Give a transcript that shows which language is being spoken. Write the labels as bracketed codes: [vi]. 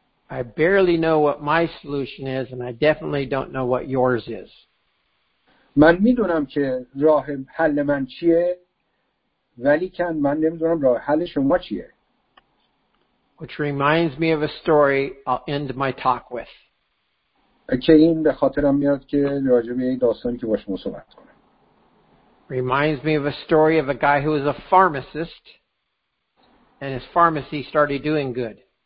[en] I barely know what my solution is and I definitely don't know what yours is. [fa] من میدونم که راه حل من چیه ولی کن من نمیدونم راه حل شما چیه. [en] Which reminds me of a story I'll end my talk with. [fa] که این به خاطرم میاد که راجع به این داستانی که با شما صحبت کنم. [en] Reminds me of a story of a guy who was a pharmacist and his pharmacy started doing good.